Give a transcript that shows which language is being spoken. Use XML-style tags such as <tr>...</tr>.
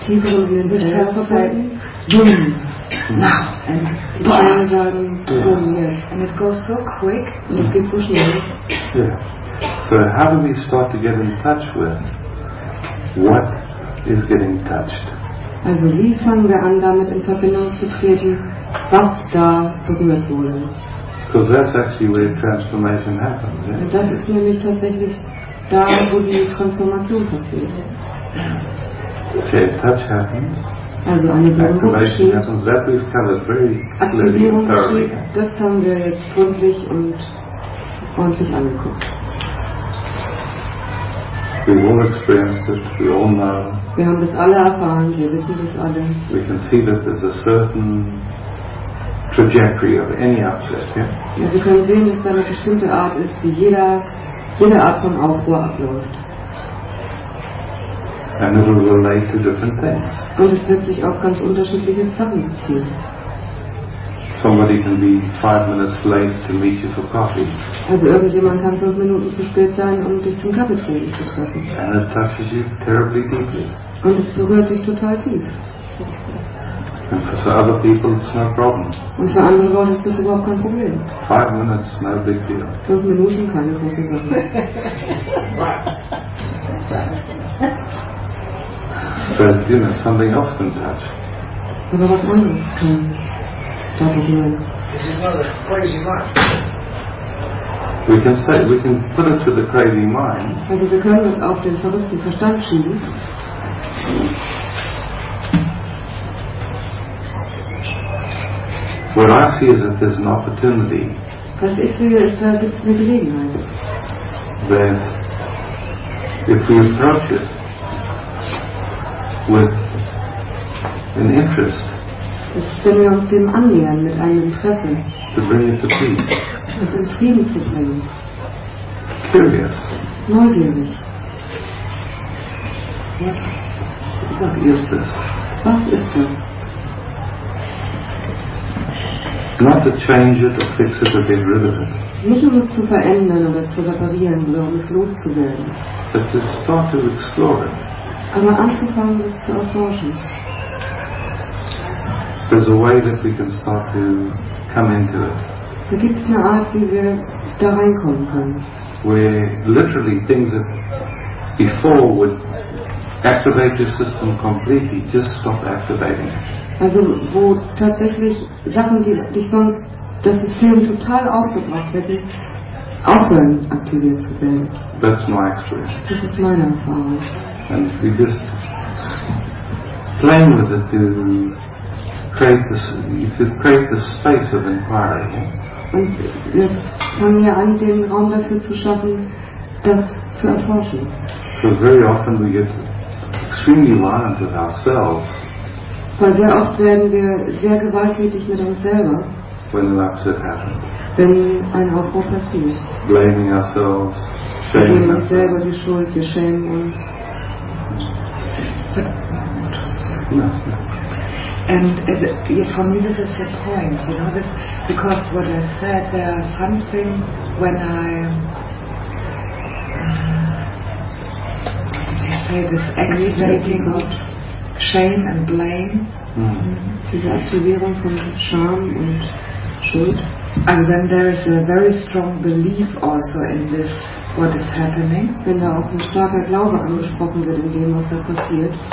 <de>tiefer in</de> <en>the cells. Boom! Now! And the</en> <de>Eier sagen,</de> <en>boom, yes. And it goes so quick,</en> <de>und es geht so schnell.</de> <en>So how do we start to get in touch with what is getting touched?</en> <de>Also wie fangen wir an, damit in Verbindung zu treten, was da berührt wurde?</de> <en>Because that's actually where transformation happens. Yeah?</en> <de>Und das ist nämlich tatsächlich da, wo die Transformation passiert.</de> <en>Okay, touch happens.</en> <de>Also eine Berührung geschieht. Aktivierung geschieht. Das haben wir jetzt gründlich und ordentlich angeguckt. Wir haben das alle erfahren, wir wissen das alle.</de> <en>We can see that there's a certain trajectory of any upset, yeah?</en> <de>Ja, wir können sehen, dass da eine bestimmte Art ist, wie jede Art von Aufruhr abläuft.</de> <en>And it will relate to different things.</en> <de>Und es wird sich auf ganz unterschiedliche Sachen beziehen.</de> <en>Somebody can be 5 minutes late to meet you for coffee.</en> <de>Also irgendjemand kann 5 Minuten zu spät sein, um dich zum Kaffeetrinken zu treffen.</de> <en>And it touches you terribly deeply.</en> <de>Und es berührt dich total tief.</de> <en>And for some other people it's no problem.</en> <de>Und für andere Leute ist das überhaupt kein Problem.</de> <en>5 minutes, no big deal.</en> <de>5 Minuten, keine große Sache.</de> <en>But you know, something else can touch.</en> <de>Aber was anderes kann.</de> <en>We can say, we can put it to the crazy mind.</en> <de>Also wir können es auf den verrückten Verstand schieben.</de> <en>What I see is that there's an opportunity.</en> <de>Was ich sehe, ist, da gibt's eine Gelegenheit.</de> <en>That if we approach it with an interest.</en> <de>Das, wenn wir uns dem annähern mit einem Interesse,</de> <en>to bring it to peace.</en> <de>Das in Frieden zu bringen.</de> <en>Curious.</en> <de>Neugierig.</de> <en>What is this?</en> <de>Was ist das?</de> <en>Not to change it or fix it or get rid of it.</en> <de>Nicht um es zu verändern oder zu reparieren oder um es loszuwerden.</de> <en>But to start to explore it.</en> <de>Aber anzufangen, es zu erforschen.</de> <en>There's a way that we can start to come into it.</en> <de>Da gibt's eine Art, wie wir da reinkommen können.</de> <en>Where literally things that before would activate your system completely just stop activating.</en> <de>Also wo tatsächlich Sachen, die dich sonst das System total aufgebracht hätten, aufhören aktiviert zu werden.</de> <en>That's my experience.</en> <de>Das ist meine Erfahrung.</de> <en>And we just playing with it to create the space of inquiry.</en> <de>Und wir fangen ja an, den Raum dafür zu schaffen, das zu erforschen.</de> <en>So very often we get extremely violent with ourselves.</en> <de>Weil sehr oft werden wir sehr gewalttätig mit uns selber.</de> <en>When an upset happens.</en> <de>Wenn ein Aufbruch passiert.</de> <en>Blaming ourselves. Shaming.</en> <de>Wir geben uns selber die Schuld. Wir schämen uns.</de> <en>And for me this is the point, you know, this, because what I said, there is something when I, did you say this, activating of shame and blame?</en> <de>Diese Aktivierung von Scham und Schuld.</de> <en>And then there is a very strong belief also in this, what is happening.</en> <de>Wenn da auch ein starker Glaube angesprochen wird in dem, was da passiert.</de>